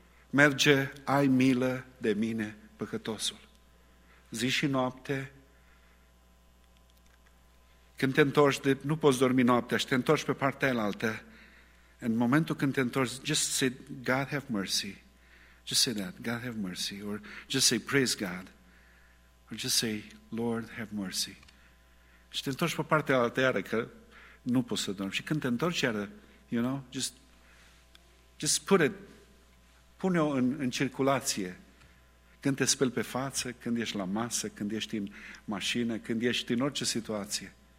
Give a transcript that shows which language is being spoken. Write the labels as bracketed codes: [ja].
[ro] Merge, ai milă de mine, păcătosul. Zi și noapte, când te întorci, nu poți dormi noaptea și te întorci pe partea aialaltă, în momentul când te întorci, [en] just say, God have mercy. Just say that, God have mercy. Or just say, praise God. Or just say, Lord have mercy. [ro] Și te întorci pe partea aialaltă iară, că nu poți să dormi. Și când te întorci iară, [en] you know, just put it, [ro] pune-o în circulație. Când te speli pe față, când ești la masă, când ești în mașină, când ești în orice situație.